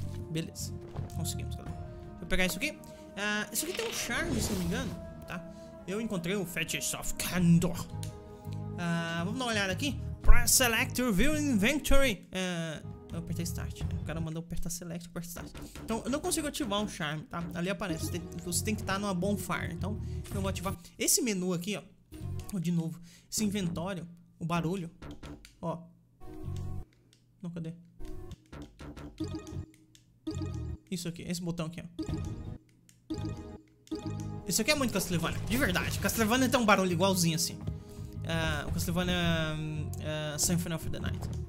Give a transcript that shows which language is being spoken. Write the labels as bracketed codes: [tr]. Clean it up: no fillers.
[pt] Beleza, conseguimos, galera. Vou pegar isso aqui. Isso aqui tem um charme, se não me engano, tá? Eu encontrei o Fetish of Candor. Vamos dar uma olhada aqui. [en] Press Select, Review Inventory. [pt] Eu apertei Start. O cara mandou apertar Select, apertar Start. Então, eu não consigo ativar um charme, tá? Ali aparece. Você tem que estar numa bonfire. Então, eu vou ativar. Esse menu aqui, ó. De novo. Esse inventório, o barulho. Ó. Não, cadê? Isso aqui, esse botão aqui, ó. Isso aqui é muito Castlevania, de verdade. Castlevania tem um barulho igualzinho assim. Castlevania Symphony of the Night.